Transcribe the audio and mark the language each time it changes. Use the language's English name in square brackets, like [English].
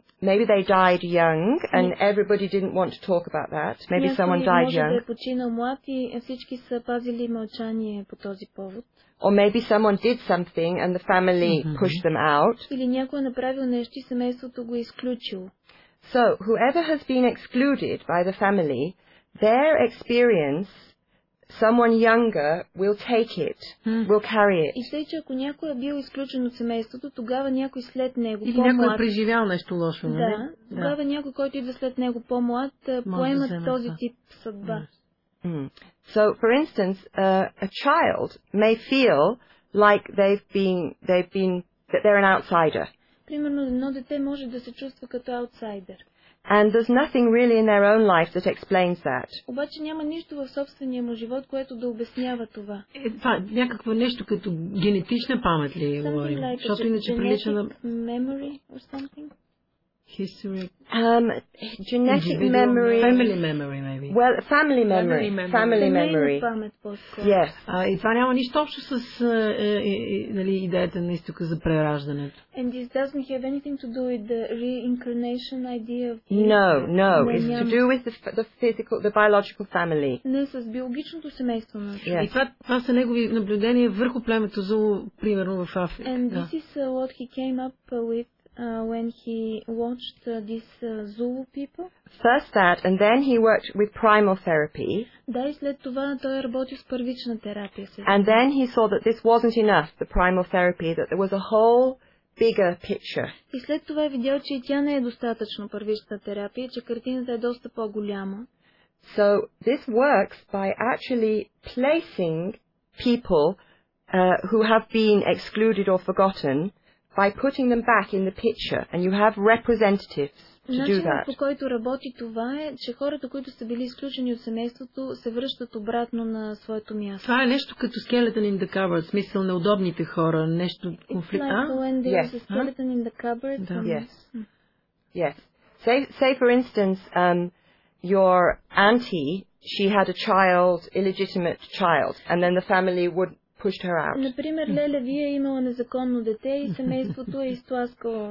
[English] Maybe they died young and everybody didn't want to talk about that. Maybe someone died young. [Bulgarian] Може да е починал млад и всички са пазили мълчание по този повод. [English] Or maybe someone did something and the family pushed them out. [Bulgarian] Или някой направил нещо и семейството го изключило. [English] So, whoever has been excluded by the family, their experience, someone younger will take it, will carry it. [Bulgarian] И тъй, че ако някой е бил изключен от семейството, тогава някой след него, или някой преживял нещо лошо, да, тогава някой, който идва след него по-млад, поема този тип съдба. [English] So, for instance, a child may feel like they've been that they're an outsider. [Bulgarian] Примерно, едно дете може да се чувства като аутсайдер. [English] And there's nothing really in their own life that explains that. [Bulgarian] Обаче няма нищо в собствения му живот, което да обяснява това. Това е някакво нещо като генетична памет ли говорим? Защото иначе прилича на [English] memory or something. History. Genetic memory. Family memory maybe. Well, family memory. Family memory. [Bulgarian] Памет по-скоро. [English] Yes. [Bulgarian] И това няма нищо общо с нали идеята на Истока за прераждането. [English] And this doesn't have anything to do with the reincarnation idea of the... No. It's to do with the physical, the biological family. [Bulgarian] Не, с биологичното семейство на. И това са негови наблюдения върху племето Зулу, примерно в Африка. [English] And this is what he came up with when he watched these Zulu people. First that, and then he worked with primal therapy. [Bulgarian] Да, и след това той работил с първична терапия. [English] And then he saw that this wasn't enough, the primal therapy, that there was a whole bigger picture. [Bulgarian] И след това е видял, че и тя не е достатъчно първична терапия, че картината е доста по-голяма. [English] So this works by actually placing people who have been excluded or forgotten by putting them back in the picture, and you have representatives to do that. [Bulgarian] Начинът, по който работи това, е, че хората, които са били изключени от семейството, се връщат обратно на своето място. Това е нещо като [English] skeleton in the cupboard, [Bulgarian] смисъл неудобните хора, нещо конфликт. [English] It's like when there's a skeleton in the cupboard. [Bulgarian] Да. [English] Yes. Say for instance, your auntie, she had a child, illegitimate child, and then the family would pushed her out. [Bulgarian] Например, Леля, вие имала незаконно дете и семейството е изтласкало.